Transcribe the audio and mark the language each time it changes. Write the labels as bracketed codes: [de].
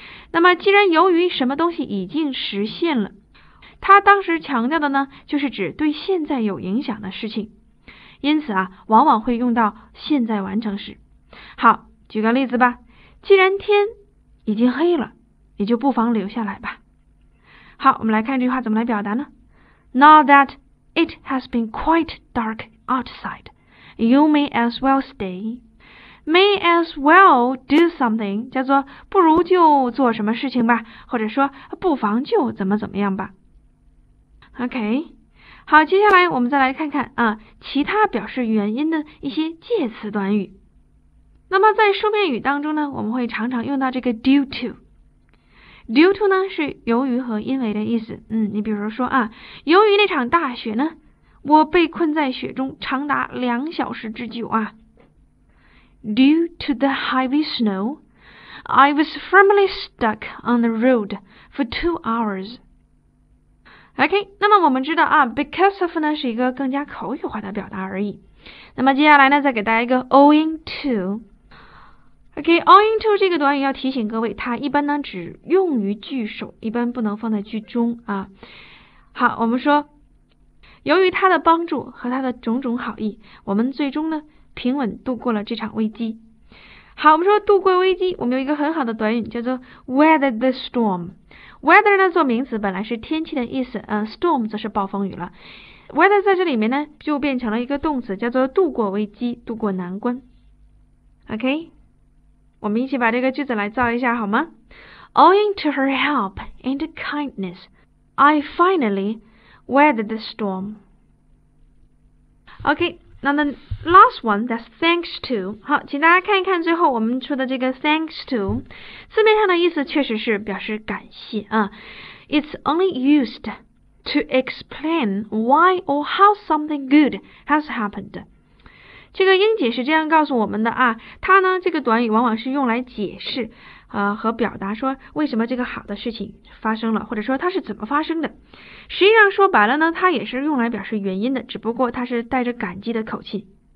[zh] 那么既然由于什么东西已经实现了，它当时强调的呢就是指对现在有影响的事情，因此啊往往会用到现在完成时。好，举个例子吧，既然天已经黑了，你就不妨留下来吧。好，我们来看这句话怎么来表达呢？ [en] Now that it has been quite dark outside, you may as well stay. May as well do something, [zh] 叫做不如就做什么事情吧，或者说不妨就怎么怎么样吧。 OK, 好，接下来我们再来看看其他表示原因的一些介词短语。那么在书面语当中呢，我们会常常用到这个 due to。 due to 呢是由于和因为的意思。你比如说啊，由于那场大雪呢，我被困在雪中长达两小时之久啊。 [en] Due to the heavy snow, I was firmly stuck on the road for 2 hours. [zh] OK, 那么我们知道啊 ,because of 呢是一个更加口语化的表达而已。那么接下来呢再给大家一个 owing to。OK, owing to 这个短语要提醒各位，它一般呢只用于句首，一般不能放在句中啊。好，我们说由于它的帮助和它的种种好意，我们最终呢平稳度过了这场危机。好，我们说度过危机，我们有一个很好的短语叫做 [en] weather the storm。 [zh] weather 呢做名词本来是天气的意思，storm 则是暴风雨了。 weather 在这里面呢就变成了一个动词，叫做度过危机，度过难关。 OK,我们一起把这个句子来造一下好吗？ [en] Owing to her help and kindness, I finally weathered the storm. OK, now the last one, that's thanks to. [zh] 好，请大家看一看最后我们出的这个 thanks to, 字面上的意思确实是表示感谢啊。 [en] It's only used to explain why or how something good has happened. [zh] 这个英姐是这样告诉我们的啊，它呢这个短语往往是用来解释和表达说为什么这个好的事情发生了，或者说它是怎么发生的。实际上说白了呢，它也是用来表示原因的，只不过它是带着感激的口气。